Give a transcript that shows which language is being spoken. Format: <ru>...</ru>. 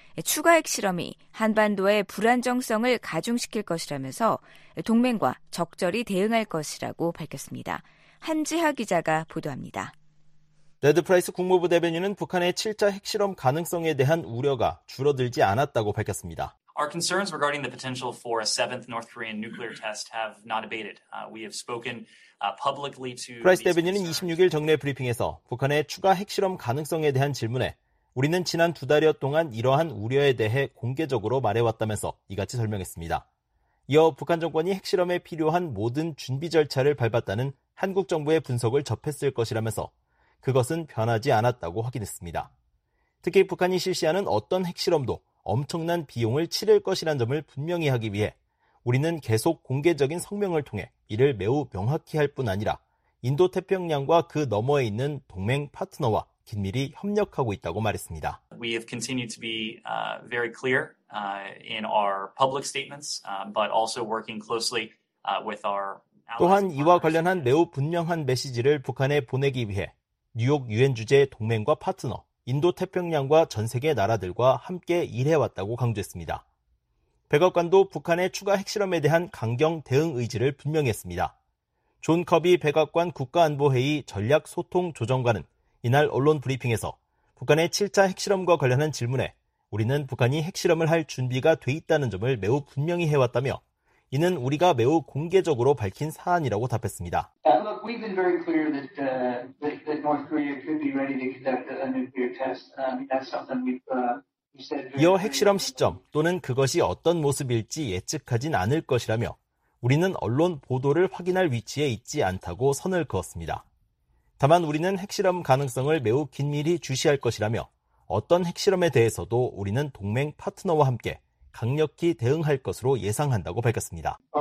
<ko>추가 핵실험이 한반도의 불안정성을 가중시킬 것이라면서 동맹과 적절히 대응할 것이라고 밝혔습니다. 한지하 기자가 보도합니다. 레드 프라이스 국무부 대변인은 북한의 7차 핵실험 가능성에 대한 우려가 줄어들지 않았다고 밝혔습니다.</ko> <en>Our concerns regarding the potential for a seventh North Korean nuclear test have not abated. We have spoken publicly to</en> <ko>프라이스 대변인은 26일 정례 브리핑에서 북한의 추가 핵실험 가능성에 대한 질문에 우리는 지난 두 달여 동안 이러한 우려에 대해 공개적으로 말해왔다면서 이같이 설명했습니다. 이어 북한 정권이 핵실험에 필요한 모든 준비 절차를 밟았다는 한국 정부의 분석을 접했을 것이라면서 그것은 변하지 않았다고 확인했습니다. 특히 북한이 실시하는 어떤 핵실험도 엄청난 비용을 치를 것이란 점을 분명히 하기 위해 우리는 계속 공개적인 성명을 통해 이를 매우 명확히 할 뿐 아니라 인도태평양과 그 너머에 있는 동맹 파트너와 긴밀히 협력하고 있다고 말했습니다.</ko> <en>We have continued to be very clear in our public statements, but also working closely with our.</en> <ko>또한 이와 관련한 매우 분명한 메시지를 북한에 보내기 위해 뉴욕 유엔 주재 동맹과 파트너, 인도 태평양과 전 세계 나라들과 함께 일해왔다고 강조했습니다. 백악관도 북한의 추가 핵실험에 대한 강경 대응 의지를 분명했습니다. 존 커비 백악관 국가안보회의 전략 소통 조정관은 이날 언론 브리핑에서 북한의 7차 핵실험과 관련한 질문에 우리는 북한이 핵실험을 할 준비가 돼 있다는 점을 매우 분명히 해왔다며 이는 우리가 매우 공개적으로 밝힌 사안이라고 답했습니다.</ko> <en>Look, we've been very clear that North Korea could be ready to conduct a nuclear test. That's something we've said.</en> <ko>이어 핵실험 시점 또는 그것이 어떤 모습일지 예측하진 않을 것이라며 우리는 언론 보도를 확인할 위치에 있지 않다고 선을 그었습니다. 다만 우리는 핵실험 가능성을 매우 긴밀히 주시할 것이라며 어떤 핵실험에 대해서도 우리는 동맹 파트너와 함께 강력히 대응할 것으로 예상한다고 밝혔습니다.</ko>